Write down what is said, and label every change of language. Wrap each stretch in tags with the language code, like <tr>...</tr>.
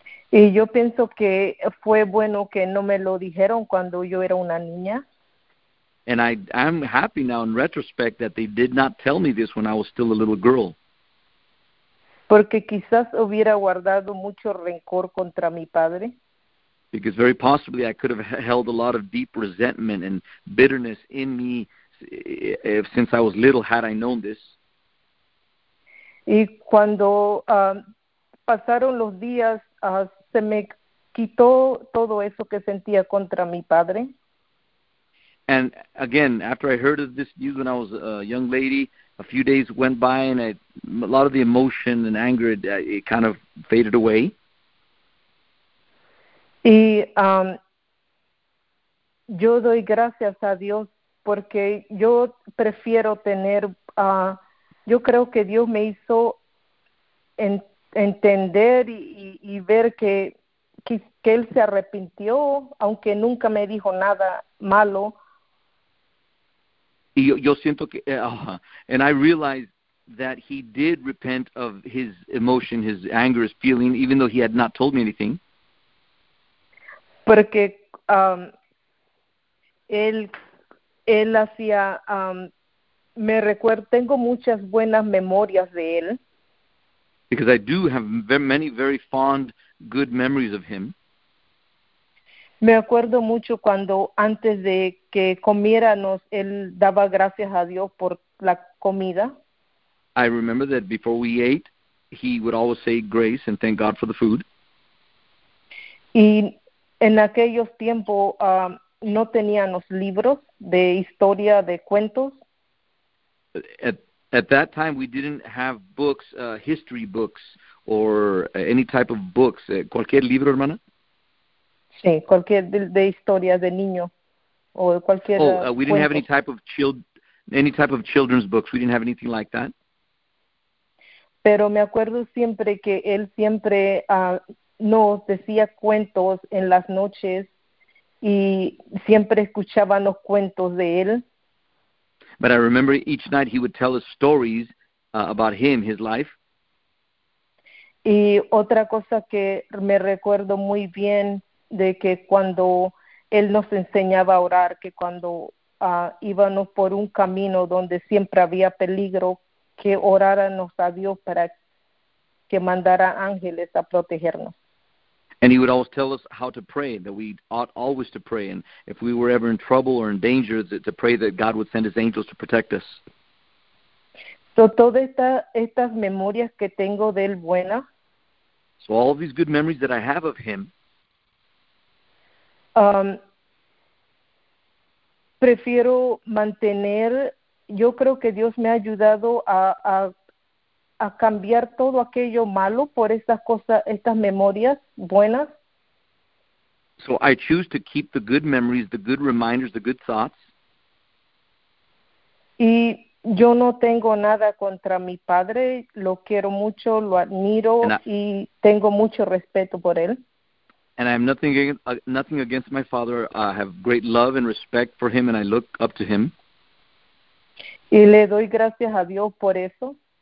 <es>Y yo pienso que fue bueno que no me lo dijeron cuando yo era una niña.</es> <en>And I'm happy now in retrospect that they did not tell me this when I was still a little girl.</en> <es>Porque quizás hubiera guardado mucho rencor contra mi padre.</es> <en>Because very possibly I could have held a lot of deep resentment and bitterness in me since I was little, had I known this.</en> <es>Y cuando pasaron los días, se me quitó todo eso que sentía contra mi padre.</es> <en>And again, after I heard of this news when I was a young lady, a few days went by and a lot of the emotion and anger, it kind of faded away.</en> <es>Y yo doy gracias a Dios porque yo prefiero tener, yo creo que Dios me hizo entender y ver que Él se arrepintió, aunque nunca me dijo nada malo. Y yo siento que,</es> <en>and I realize that he did repent of his emotion, his anger, his feeling, even though he had not told me anything.</en> <es>Porque él hacía, me recuerdo, tengo muchas buenas memorias de él.</es> <en>Because I do have many very fond, good memories of him.</en> <es>Me acuerdo mucho cuando antes de que comiéramos, él daba gracias a Dios por la comida.</es> <en>I remember that before we ate, he would always say grace and thank God for the food.</en> <es>Y en aquellos tiempos no teníamos libros de historia, de cuentos.</es> <en>At that time, we didn't have books, history books, or any type of books.</en> <es>¿Cualquier libro, hermana? Sí, cualquier de historias de niño o cualquier.</es> <en>We didn't have any type of children's books. We didn't have anything like that.</en> <es>Pero me acuerdo siempre que él siempre nos decía cuentos en las noches y siempre escuchábamos cuentos de él.</es> <en>But I remember each night he would tell us stories about him, his life.</en> <es>Y otra cosa que me recuerdo muy bien, de que cuando él nos enseñaba a orar, que cuando íbamos por un camino donde siempre había peligro, que oráramos a Dios para que mandara ángeles a protegernos.</es> <en>And he would always tell us how to pray, that we ought always to pray, and if we were ever in trouble or in danger, to pray that God would send his angels to protect us.</en> <es>So, todas estas memorias que tengo de él buena.</es> <en>So all of these good memories that I have of him,</en> <es>Prefiero mantener, yo creo que Dios me ha ayudado a cambiar todo aquello malo por estas cosas, estas memorias buenas.</es> <en>So I choose to keep the good memories, the good reminders, the good thoughts.</en> <es>Y Yo no tengo nada contra mi padre, lo quiero mucho, lo admiro y tengo mucho respeto por él.</es> <en>And I have nothing against my father. I have great love and respect for him, and I look up to him.</en> <es>Y le doy gracias a Dios por eso.</es>